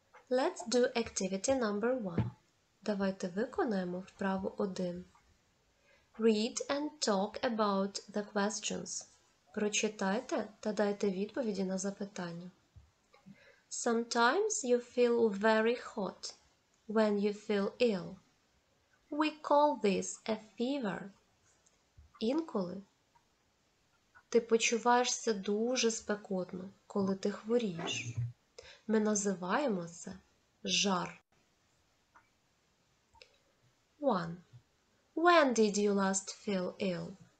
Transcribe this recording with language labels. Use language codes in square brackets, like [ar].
[en] Let's do activity number one. [uk] Давайте виконаємо вправу один. [en] Read and talk about the questions. [uk] Прочитайте та дайте відповіді на запитання. [en] Sometimes you feel very hot when you feel ill. We call this a fever. [uk] Інколи ти почуваєшся дуже спекотно, коли ти хворієш. Ми називаємо це жар. [en] 1. When did you last feel ill?